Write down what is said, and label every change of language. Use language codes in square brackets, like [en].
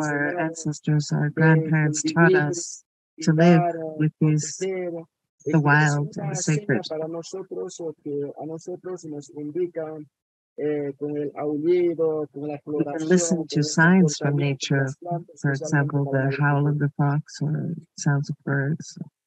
[en] Our ancestors, our grandparents taught us to live with these, the wild and the sacred. [es] Para nosotros, o que a nosotros nos indica, con el aullido, con la floración, [en] listen to signs from nature, for example, the howl of the fox or sounds of birds.